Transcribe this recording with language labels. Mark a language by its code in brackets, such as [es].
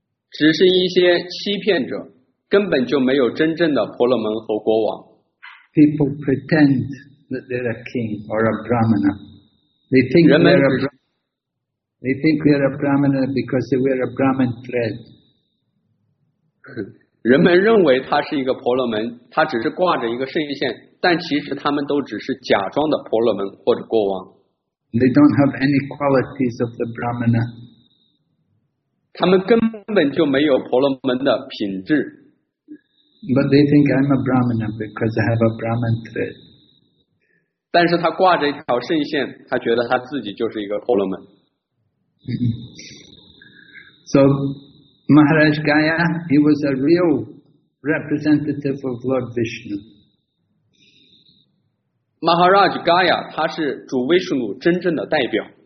[zh] 只是一些欺骗者，根本就没有真正的婆罗门和国王。 [en] People pretend that they're a king or a brahmana. They think they're a brahmana because they wear a brahmin thread. [zh] 人们认为他是一个婆罗门，他只是挂着一个圣衣线，但其实他们都只是假装的婆罗门或者国王。 [en] They don't have any qualities of the brahmana. [zh] 他们根本就没有婆罗门的品质。 [en] But they think I'm a brahmana because I have a brahmin thread. [zh] 但是他挂着一条圣线，他觉得他自己就是一个婆罗门。 [en] So Maharaj Gaya, he was a real representative of Lord Vishnu. [zh] Maharaj Gaya, 他是主威士努真正的代表。